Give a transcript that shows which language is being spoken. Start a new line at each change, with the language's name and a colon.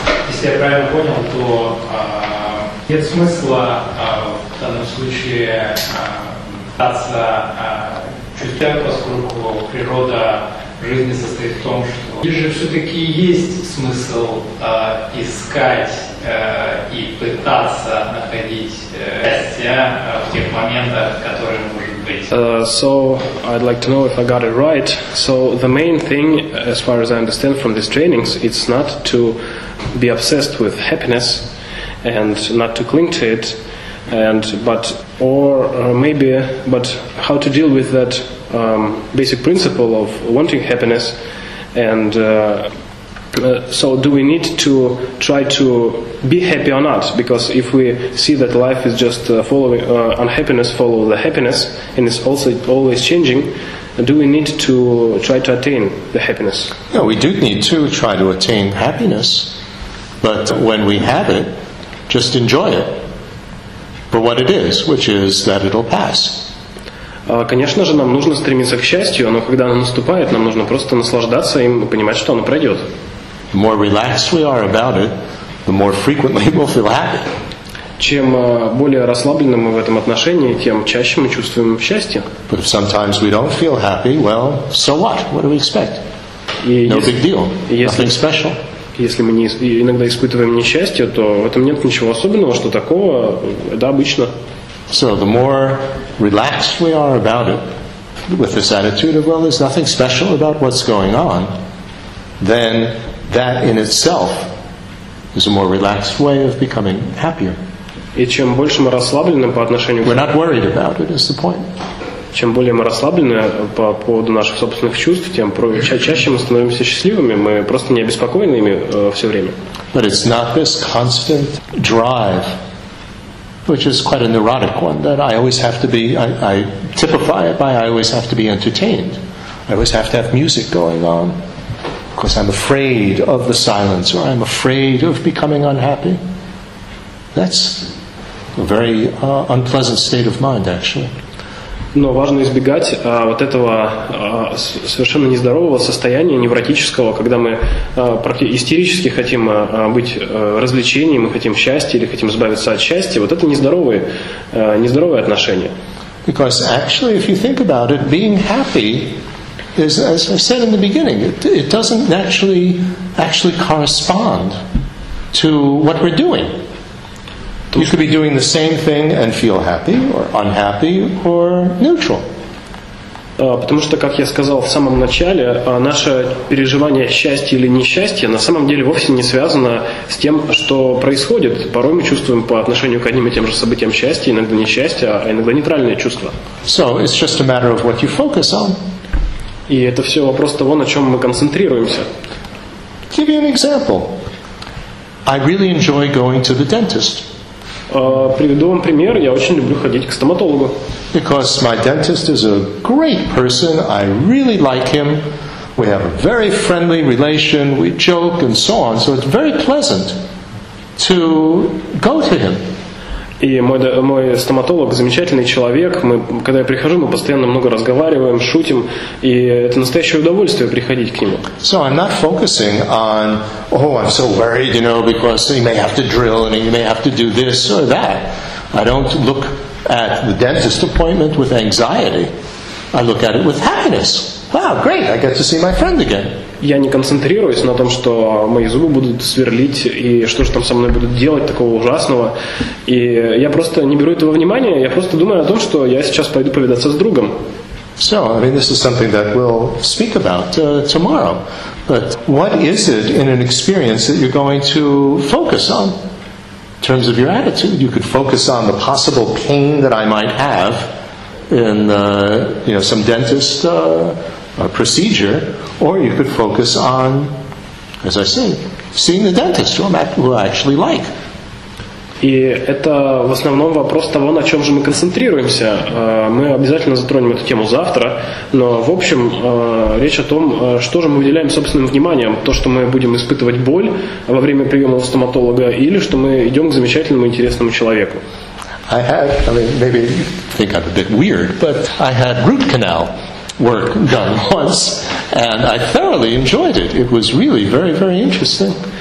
Russian: Если я правильно понял, то нет смысла в данном случае пытаться чувствовать, поскольку природа жизни состоит в том, что... Или же все-таки есть смысл искать и пытаться находить счастье в тех моментах, которые мы...
English: So I'd like to know if I got it right. So the main thing, as far as I understand from these trainings, it's not to be obsessed with happiness and not to cling to it, but how to deal with that basic principle of wanting happiness. And so do we need to try to be happy or not? Because if we see that life is just following unhappiness, follow the happiness, and it's also always changing, do we need to try to attain the happiness? Yeah, we do need to try to attain happiness, but when we have it, just enjoy it for what it is, which is that it'll pass.
Russian: Конечно же, нам нужно стремиться к счастью, но когда оно наступает, нам нужно просто наслаждаться им и понимать, что оно пройдет.
English: The more relaxed we are about it, the more frequently we'll feel happy.
Russian: Чем более расслабленным мы в этом отношении, тем чаще мы чувствуем счастье.
English: But if sometimes we don't feel happy, well, so what? What do we expect? No big deal. Nothing special.
Russian: Если мы иногда испытываем несчастье, то в этом нет ничего особенного, что такого, это обычно.
English: So the more relaxed we are about it, with this attitude of, well, there's nothing special about what's going on, then that in itself is a more relaxed way of becoming happier.
Russian: И чем больше мы расслаблены по отношению к...
English: We're not worried about it, is the point.
Russian: Чем более мы расслаблены по поводу наших собственных чувств, тем чаще мы становимся счастливыми, мы просто не обеспокоены ими все время.
English: But it's not this constant drive, which is quite a neurotic one, that I always have to be, I typify it by I always have to be entertained. I always have to have music going on, because I'm afraid of the silence, or I'm afraid of becoming unhappy. That's a very unpleasant state of mind, actually.
Russian: Но важно избегать вот этого совершенно нездорового состояния, невротического, когда мы истерически хотим быть развлечением, мы хотим счастья или хотим избавиться от счастья. Вот это нездоровые отношения.
English: Because actually, if you think about it, being happy is, as I said in the beginning, it doesn't actually correspond to what we're doing. You could be doing the same thing and feel happy, or unhappy, or neutral.
Russian: Потому что, как я сказал в самом начале, наше переживание счастья или несчастья на самом деле вовсе не связано с тем, что происходит. Порой мы чувствуем по отношению к одним и тем же событиям счастье, иногда несчастье, а иногда нейтральные чувства.
English: So it's just a matter of what you focus on.
Russian: И это все вопрос того, на чем мы концентрируемся.
English: Give you an example. I really enjoy going to the dentist.
Russian: Приведу вам пример. Я очень люблю ходить к стоматологу.
English: Because my dentist is a great person, I really like him. We have a very friendly relation. We joke and so on. So it's very pleasant to go to him.
Russian: И мой стоматолог замечательный человек. Мы, когда я прихожу, мы постоянно много разговариваем, шутим, и это настоящее удовольствие приходить к нему.
English: So I'm not focusing on, oh, I'm so worried, you know, because he may have to drill and he may have to do this or that. I don't look at the dentist appointment with anxiety. I look at it with happiness. Wow, great, I get to see my friend again.
Russian: Я не концентрируюсь на том, что мои зубы будут сверлить, и что же там со мной будут делать такого ужасного. И я просто не беру этого внимания, я просто думаю о том, что я сейчас пойду повидаться с другом.
English: So, I mean, this is something that we'll speak about tomorrow. But what is it in an experience that you're going to focus on? In terms of your attitude, you could focus on the possible pain that I might have in some dentist procedure, or you could focus on, as I say, seeing the dentist who I actually like.
Russian: И это в основном вопрос того, на чем же мы концентрируемся. Мы обязательно затронем эту тему завтра, но в общем речь о том, что же мы уделяем собственным вниманием. То, что мы будем испытывать боль во время приема у стоматолога, или что мы идем к замечательному интересному человеку.
English: Maybe you think I'm a bit weird, but I had root canal work done once, and I thoroughly enjoyed it. It was really very, very interesting.